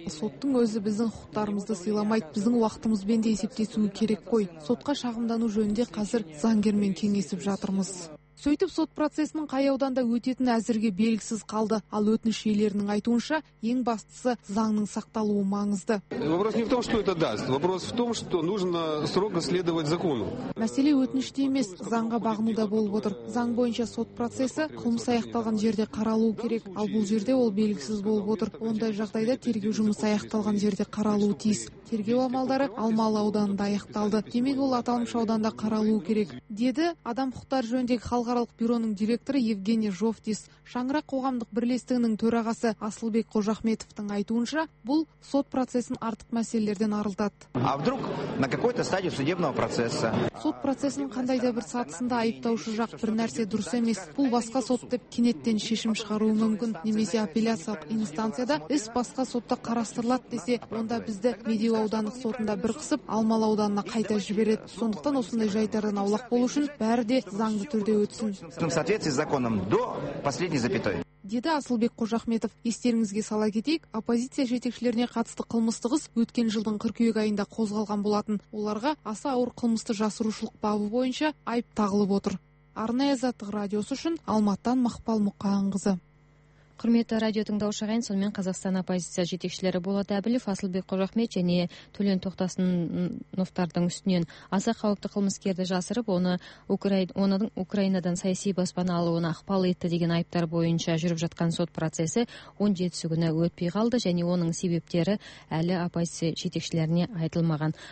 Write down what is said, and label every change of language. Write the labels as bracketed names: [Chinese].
[Kazakh] Соттың өзі біздің құқықтарымызды сыйламайды, біздің уақытымызбен де есептесуі керек қой. Сотқа шағымдану жөнінде қазір заңгермен кеңесіп жатырмыз. Сөйтіп сот процесінің қай ауданда өтетіні әзірге белгісіз қалды. Ал өтініш иелерінің айтуынша, ең бастысы заңның сақталуы маңызды. [Russian] Вопрос не в том, что это даст. Вопрос в том, что нужно строго следовать закону. [Kazakh] Мәселе өтініште емес, заңға бағынуда болып отыр. Заң бойынша сот процесі қылмыс аяқталған жерде қаралуы керек. Ал бұл жерде ол белгісіз болып отыр. Ондай жағдайда тергеу жұмысы аяқталған жерде қаралуы тиіс. Тергеу амалдары Алмалы ауданында аяқталды. Демек ол аталмыш ауданда қаралуы керек, деді адам құқықтары жөніндегі халықаралық бюроның директоры Евгений Жовтис. Шаңырақ қоғамдық бірлестігінің төрағасы Асылбек Қожахметовтің айтуынша, бұл сот процесін артық мәселелерден арылтады. [Russian] А вдруг на какой-то стадии судебного процесса? [Kazakh] Сот процесінің қандай да бір сатысында айыптаушы жақ бір нәрсе дұрыс емес, бұл басқа сот деп кенеттен шешім шығаруы мүмкін, немесе апелляциялық инстанцияда іс басқа сотта қарастырылады десе, онда бізді Медеу аудандық сотында бір қысып, Алмалы ауданына қайта жібереді. Сондықтан осындай жайлардан аулақ болу үшін бәрі де заңды түрде өтсін. [Russian] Соответствии с законом до последней запятой. [Kazakh] Деді Асылбек Қожахметов. Естеріңізге сала кетейік, оппозиция жетекшілеріне қатысты қылмыстық іс өткен жылдың 42 айында қозғалған болатын. Оларға аса ауыр қылмысты жасырушылық бабы бойынша айып тағылып отыр. Арнайы Азаттық радиосы үшін Алматыдан Мақпал Мұқағанқызы. Құрметті радио тыңдаушы ағайын, сонымен Қазақстан оппозиция жетекшілері Болат Әбілов, Асылбек Қожахмет және Төлен Тоқтасыновтардың үстінен аса қауіпті қылмыскерді жасырып, оның Украинадан саяси баспана алуына ықпал етті деген айыптар бойынша жүріп жатқан сот процесі 17-сі күні өтпей қалды және оның себептері әлі оппозиция жетекшілеріне айтылмаған.